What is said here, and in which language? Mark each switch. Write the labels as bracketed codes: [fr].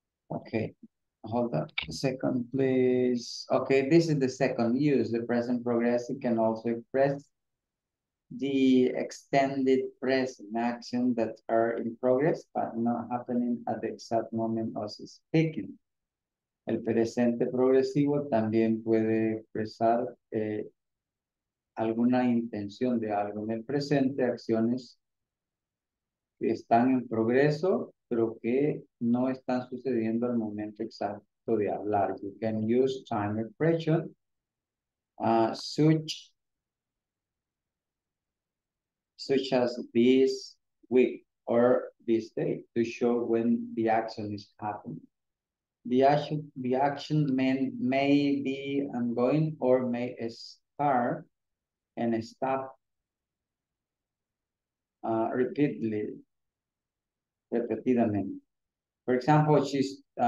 [en] Okay, hold on a second, please. Okay, this is the second use. The present progressive can also express the extended present action that are in progress but not happening at the exact moment of speaking. [es] El presente progresivo también puede expresar alguna intención de algo en el presente, acciones que están en progreso pero que no están sucediendo al momento exacto de hablar. [en] You can use time expression such as this week or this day to show when the action is happening. The action may be ongoing or may start and stop repeatedly. For example, she's